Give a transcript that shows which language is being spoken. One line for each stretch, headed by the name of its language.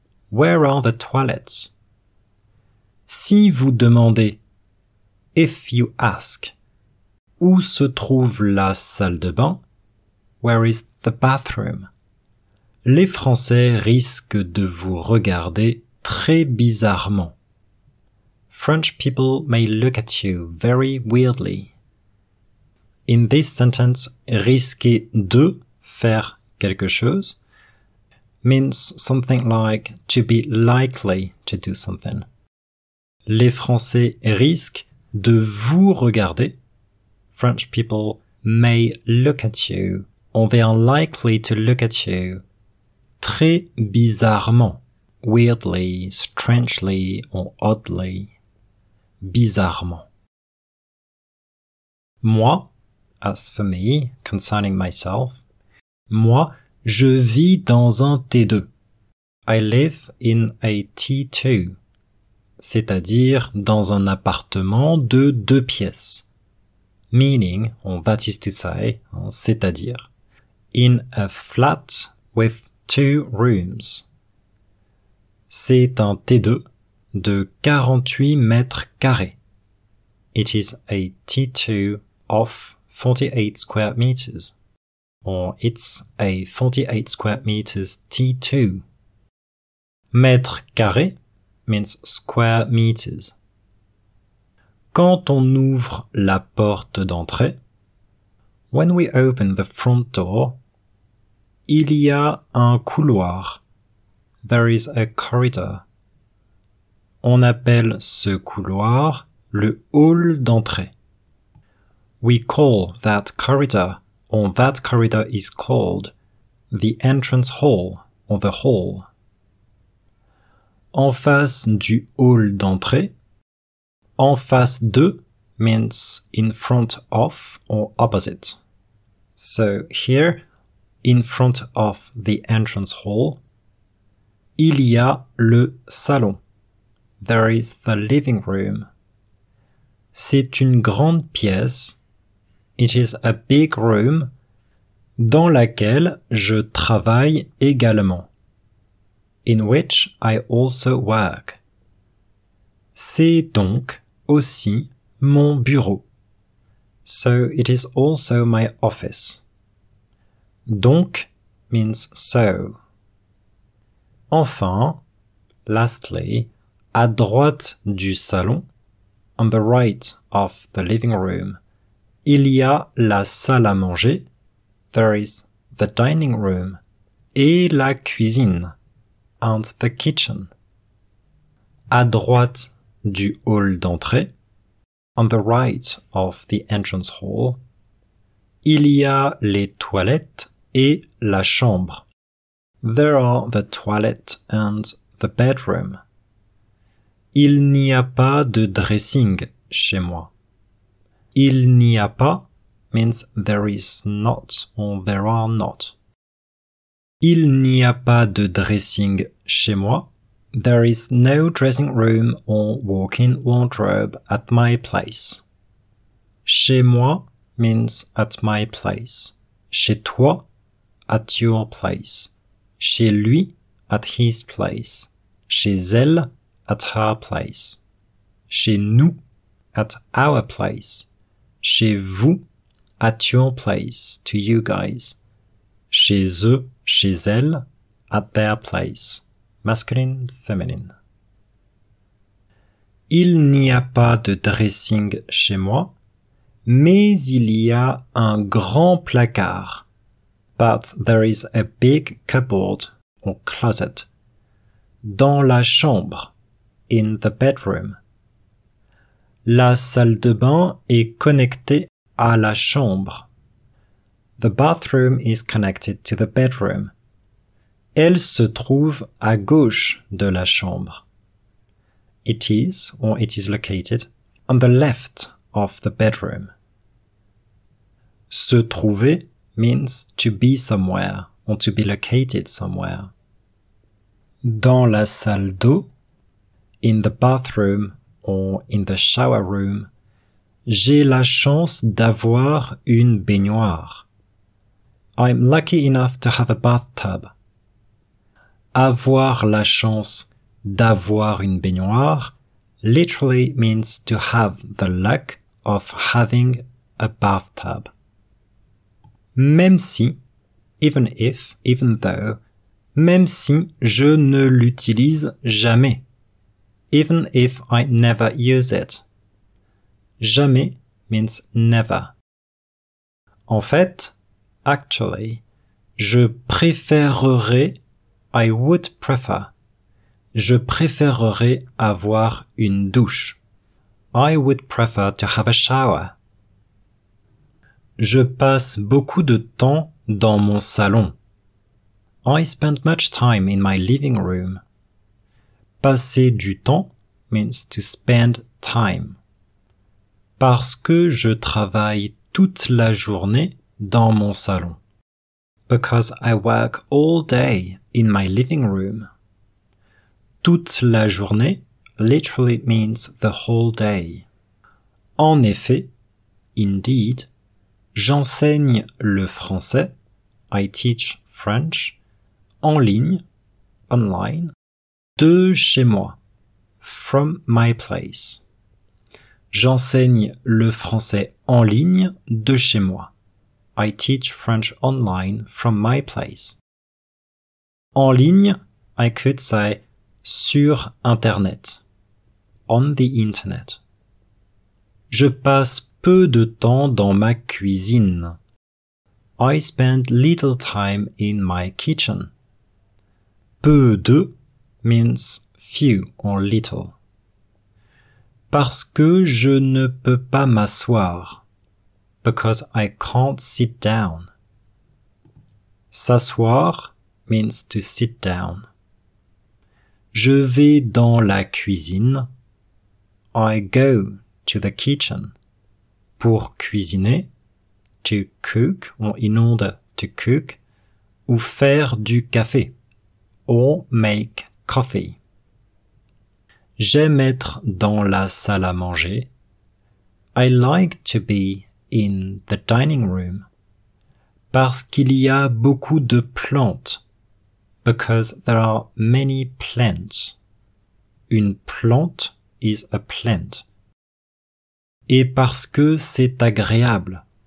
English: Where are the toilets?
French: Si vous demandez,
English: If you ask,
French: où se trouve la salle de bain?
English: Where is the bathroom?
French: Les Français risquent de vous regarder très bizarrement.
English: French people may look at you very weirdly. In this sentence,
French: risquer de faire quelque chose
English: means something like to be likely to do something.
French: Les Français risquent de vous regarder.
English: French people may look at you. On they are likely to look at you.
French: Très bizarrement.
English: Weirdly, strangely, or oddly.
French: Bizarrement.
English: Moi, as for me, concerning myself.
French: Moi, je vis dans un T2.
English: I live in a T2.
French: C'est-à-dire dans un appartement de deux pièces.
English: Meaning, or that is to say,
French: c'est-à-dire.
English: In a flat with two rooms.
French: C'est un T2 de 48 mètres carrés.
English: It is a T2 of 48 square meters. Or it's a 48 square meters T2. Mètre carré means square meters.
French: Quand on ouvre la porte d'entrée,
English: when we open the front door,
French: il y a un couloir.
English: There is a corridor.
French: On appelle ce couloir le hall d'entrée.
English: We call that corridor, or that corridor is called the entrance hall, or the hall.
French: En face du hall d'entrée, en face de
English: means in front of or opposite. So here, in front of the entrance hall,
French: il y a le salon.
English: There is the living room.
French: C'est une grande pièce.
English: It is a big room.
French: Dans laquelle je travaille également.
English: In which I also work.
French: C'est donc aussi mon bureau.
English: So it is also my office. Donc means so. Enfin, lastly,
French: à droite du salon,
English: on the right of the living room,
French: il y a la salle à manger,
English: there is the dining room,
French: et la cuisine,
English: and the kitchen.
French: À droite du hall d'entrée,
English: on the right of the entrance hall,
French: il y a les toilettes et la chambre.
English: There are the toilet and the bedroom.
French: Il n'y a pas de dressing chez moi. Il n'y a pas
English: means there is not or there are not.
French: Il n'y a pas de dressing chez moi.
English: There is no dressing room or walk-in wardrobe at my place.
French: Chez moi
English: means at my place.
French: Chez toi,
English: at your place.
French: Chez lui,
English: at his place.
French: Chez elle,
English: at her place.
French: Chez nous,
English: at our place.
French: Chez vous,
English: at your place, to you guys.
French: Chez eux, chez elles,
English: at their place. Masculine, feminine.
French: Il n'y a pas de dressing chez moi, mais il y a un grand placard.
English: But there is a big cupboard or closet
French: dans la chambre,
English: in the bedroom.
French: La salle de bain est connectée à la chambre.
English: The bathroom is connected to the bedroom.
French: Elle se trouve à gauche de la chambre.
English: It is, or it is located, on the left of the bedroom.
French: Se trouver
English: means to be somewhere or to be located somewhere.
French: Dans la salle d'eau,
English: in the bathroom or in the shower room,
French: j'ai la chance d'avoir une baignoire.
English: I'm lucky enough to have a bathtub.
French: Avoir la chance d'avoir une baignoire
English: literally means to have the luck of having a bathtub.
French: Même si,
English: even if, even though,
French: même si je ne l'utilise jamais.
English: Even if I never use it. Jamais means never.
French: En fait,
English: actually,
French: je préférerais,
English: I would prefer,
French: je préférerais avoir une douche.
English: I would prefer to have a shower.
French: Je passe beaucoup de temps dans mon salon.
English: I spend much time in my living room.
French: Passer du temps
English: means to spend time.
French: Parce que je travaille toute la journée dans mon salon.
English: Because I work all day in my living room.
French: Toute la journée
English: literally means the whole day.
French: En effet,
English: indeed,
French: j'enseigne le français,
English: I teach French,
French: en ligne,
English: online,
French: de chez moi,
English: from my place.
French: J'enseigne le français en ligne de chez moi.
English: I teach French online from my place.
French: En ligne,
English: I could say
French: sur Internet.
English: On the Internet.
French: Je passe peu de temps dans ma cuisine.
English: I spend little time in my kitchen.
French: Peu de
English: means few or little.
French: Parce que je ne peux pas m'asseoir.
English: Because I can't sit down. S'asseoir means to sit down.
French: Je vais dans la cuisine.
English: I go to the kitchen.
French: Pour cuisiner,
English: to cook, or in order to cook,
French: ou faire du café,
English: or make coffee.
French: J'aime être dans la salle à manger.
English: I like to be in the dining room.
French: Parce qu'il y a beaucoup de plantes.
English: Because there are many plants. Une plante is a plant.
French: Et parce que c'est agréable.